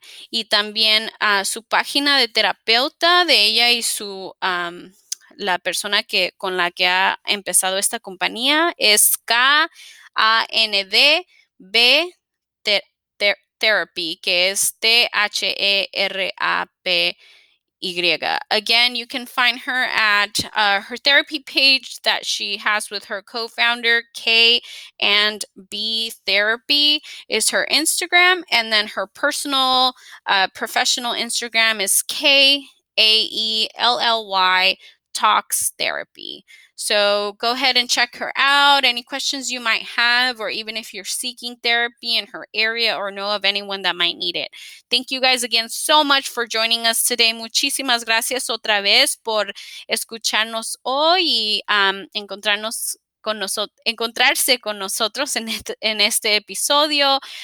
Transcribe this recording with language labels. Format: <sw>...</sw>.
<es>Y también su página de terapeuta de ella y su la persona que con la que ha empezado esta compañía es KANDB Therapy, que es Therapy.</es> <en>Again, you can find her at her therapy page that she has with her co-founder, K and B Therapy is her Instagram. And then her personal professional Instagram is KAELLY Talks Therapy. So go ahead and check her out. Any questions you might have, or even if you're seeking therapy in her area or know of anyone that might need it. Thank you guys again so much for joining us today.</en> <es>Muchísimas gracias otra vez por escucharnos hoy y encontrarse con nosotros en este episodio.</es>